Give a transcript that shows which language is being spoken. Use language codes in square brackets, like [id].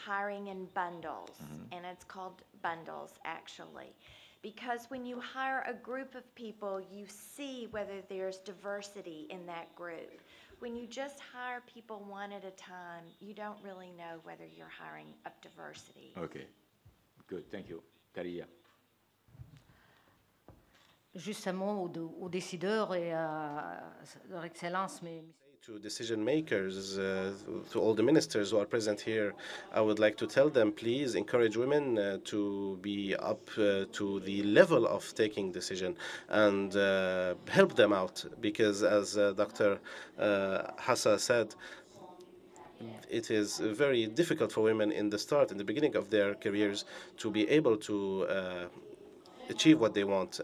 [en] Hiring in bundles, mm-hmm. And it's called bundles, actually. Because when you hire a group of people, you see whether there's diversity in that group. When you just hire people one at a time, you don't really know whether you're hiring up diversity. Okay, good, thank you. Karia. [fr] Justement, aux décideurs et à leur excellence, mais [en] to decision makers, to all the ministers who are present here, I would like to tell them, please encourage women to be up to the level of taking decision, and help them out, because as Dr. Hassa said, it is very difficult for women in the start, in the beginning of their careers, to be able to achieve what they want.